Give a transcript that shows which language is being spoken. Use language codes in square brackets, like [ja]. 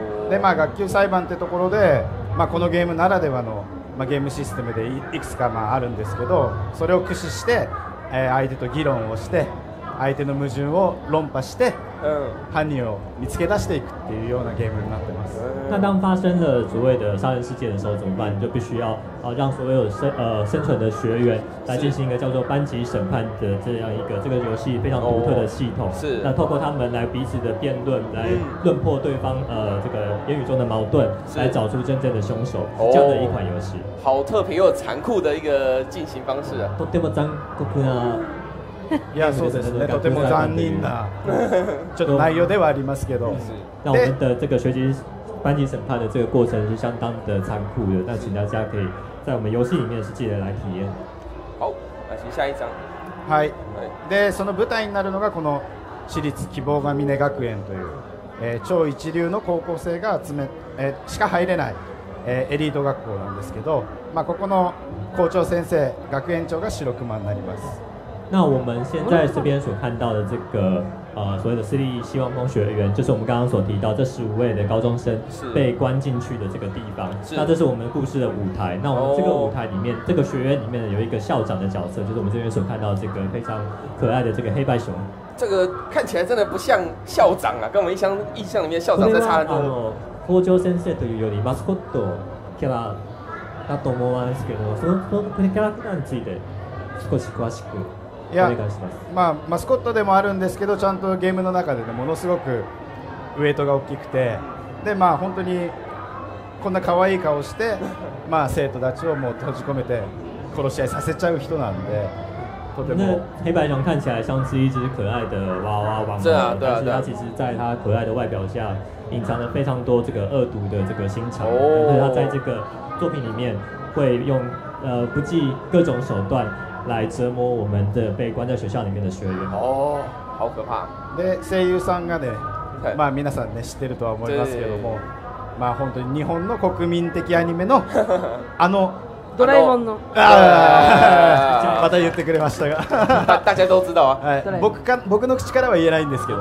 [ja] で、まあ学級裁判ってところで、まあこのゲームならではの、まあ、ゲームシステムでいくつかまああるんですけど、それを駆使して、相手と議論をして。相手の矛盾を論破して、犯人を見つけ出していくっていうようなゲームになってます。 [zh] 那当发生了所谓的杀人事件的时候怎么办？你就必须要让所有生存的学员来进行一个叫做班级审判的这样一个这个游戏非常独特的系统。是。那透过他们来彼此的辩论，来论破对方这个言语中的矛盾，来找出真正的凶手，是这样的一款游戏。好特别又残酷的一个进行方式啊！ [ja] とても残酷な。いやそうですね、とても残忍なちょっと内容ではありますけど。 [zh] 那我们的这个学习班级审判的这个过程是相当的残酷的，那请大家可以在我们游戏里面实际的来体验。好，那请下一张。 [ja] はい。でその舞台になるのがこの私立希望ヶ峰学園という、超一流の高校生が集め、しか入れない、エリート学校なんですけど、まあここの校長先生、学園長が白熊になります。 [zh] 那我们现在这边所看到的这个所谓的私立希望峰学员，就是我们刚刚所提到这十五位的高中生被关进去的这个地方。那这是我们故事的舞台。那我们这个舞台里面，这个学院里面有一个校长的角色，就是我们这边所看到的这个非常可爱的这个黑白熊。这个看起来真的不像校长啊，跟我们印象里面校长在差很多。 [ja] 校長先生というよりマスコットキャラだと思うんですけど、そのキャラクターについて少し詳しく。いや、まあマスコットでもあるんですけど、ちゃんとゲームの中で、ね、ものすごくウエイトが大きくて、でまあ本当にこんな可愛い顔をして、まあ生徒たちをもう閉じ込めて殺し合いさせちゃう人なんで、とても。 [zh] 那黑白熊看起来像是一只可爱的娃娃玩偶，但是它其实在它可爱的外表下隐藏了非常多这个恶毒的这个心肠，而且它在这个作品里面会用不计各种手段。来折磨我们的被关在学校里面的学员。哦，好可怕。 [ja] で声優さんがね、まあ皆さんね知ってるとは思いますけども、まあ本当に日本の国民的アニメのあのドラえもんの。ああ、また言ってくれましたが。 [zh] 大家都知道啊。 [ja] 僕の口からは言えないんですけど、